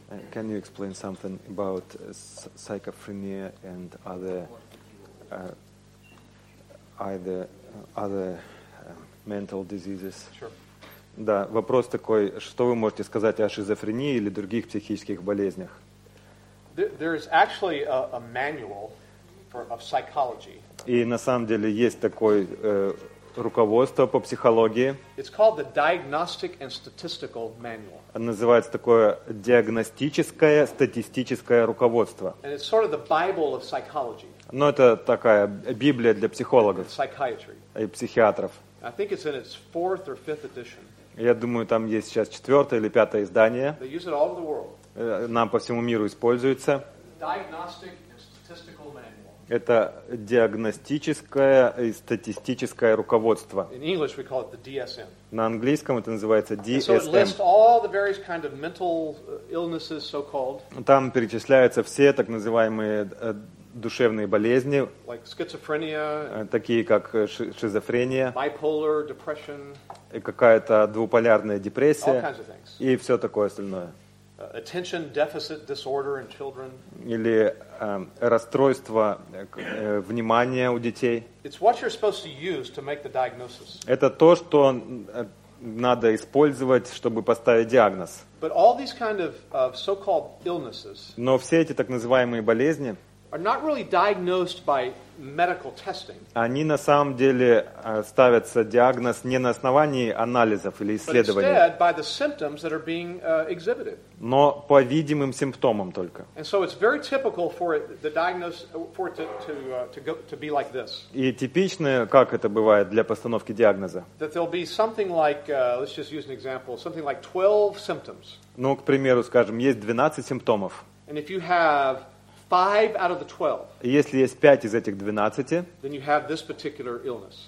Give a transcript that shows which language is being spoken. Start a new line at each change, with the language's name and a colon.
English: Can you explain something about schizophrenia and other mental diseases? Sure.
Russian: Да, вопрос такой, что вы можете сказать о шизофрении или других психических болезнях?
English: There is actually a manual of psychology.
Russian: И на самом деле есть такое руководство по психологии.
English: It's called the Diagnostic and Statistical Manual.
Russian: Называется такое диагностическое статистическое руководство.
English: And it's sort of the Bible of psychology.
Russian: Но это такая Библия для психологов.
English: And psychiatry.
Russian: И психиатров.
English: I think it's in its fourth or fifth edition.
Russian: Я думаю, там есть сейчас четвертое или пятое издание.
English: They use it all over the world.
Russian: Нам по всему миру используется.
English: Diagnostic and statistical manual.
Russian: Это диагностическое и статистическое руководство.
English: In English we call it the DSM.
Russian: На английском это называется DSM.
English: And so it lists all the various kind of mental illnesses, so-called.
Russian: Там перечисляются все так называемые душевные болезни,
English: like schizophrenia,
Russian: такие как шизофрения,
English: bipolar, depression,
Russian: и какая-то двуполярная депрессия и все такое остальное.
English: attention deficit disorder in children.
Russian: Или расстройство внимания у детей.
English: It's what you're supposed to use to make the diagnosis.
Russian: Это то, что надо использовать, чтобы поставить диагноз.
English: But all these kind of so-called illnesses.
Russian: Но все эти так называемые болезни.
English: Are not really diagnosed by medical testing.
Russian: Они на самом деле ставятся диагноз не на основании анализов или исследований.
English: But instead by the symptoms that are being exhibited.
Russian: Но по видимым симптомам только.
English: And so it's very typical for it, the diagnosis for it to go to be like this.
Russian: И типично, как это бывает для постановки диагноза.
English: That there'll be something like, let's just use an example, something like 12 symptoms.
Russian: Ну, к примеру, скажем, есть 12 симптомов.
English: And if you have 5 out of the 12.
Russian: Если есть 5 из этих 12,
English: then you have this particular illness.